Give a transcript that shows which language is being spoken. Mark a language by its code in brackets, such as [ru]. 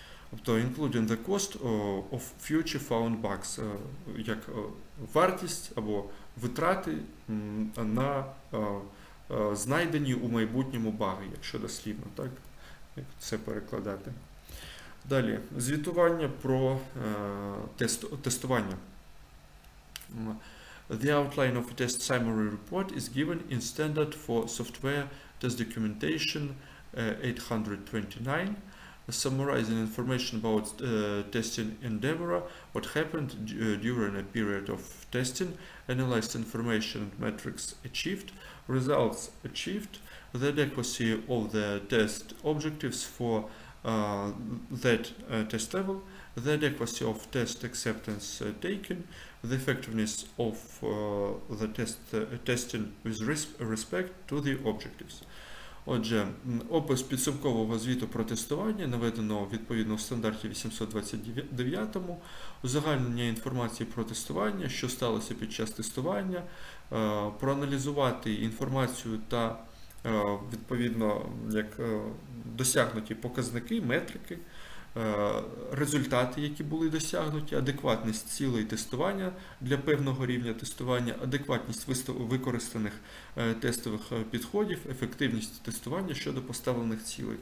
[uk] Тобто [en] including the cost of future found bugs, [uk] як вартість або витрати на знайдені у майбутньому баги, якщо дослівно, так, як це перекладати. Далі, звітування про тестування. [en] The outline of a test summary report is given in standard for software test documentation 829, summarizing information about testing endeavor, what happened during a period of testing, analyzed information and metrics achieved, results achieved, the adequacy of the test objectives for that test level, the adequacy of test acceptance taken, the effectiveness of the test testing with respect to the objectives. [uk] Отже, опис підсумкового звіту про тестування наведено відповідно в стандарті 829-му. Узагальнення інформації про тестування, що сталося під час тестування, проаналізувати інформацію та відповідно як досягнуті показники, метрики, результати, які були досягнуті, адекватність цілей тестування для певного рівня тестування, адекватність використаних тестових підходів, ефективність тестування щодо поставлених цілей.